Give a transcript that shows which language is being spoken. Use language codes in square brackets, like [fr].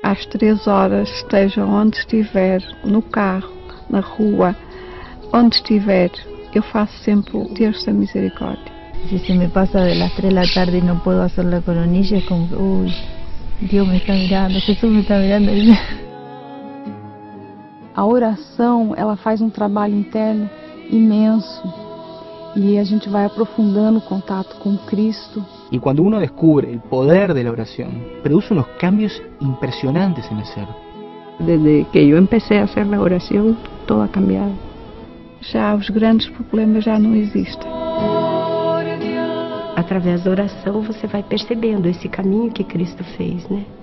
[pt] Três horas, esteja onde estiver, no carro, na rua, onde estiver, eu faço sempre o Terço da Misericórdia. [es] Si se me pasa de las 3 de la tarde y no puedo hacer la coronilla, es como que, uy, Dios me está mirando, Jesús me está mirando. [pt] A oração, ela faz trabalho interno imenso, y a gente va aprofundando o contato con Cristo. [es] Y cuando uno descubre el poder de la oración, produce unos cambios impresionantes en el ser. Desde que yo empecé a hacer la oración, todo ha cambiado. Ya los grandes problemas ya no existen. A través de la oración, [pt] você [es] va percebiendo ese camino que Cristo [pt] fez, [es] ¿no?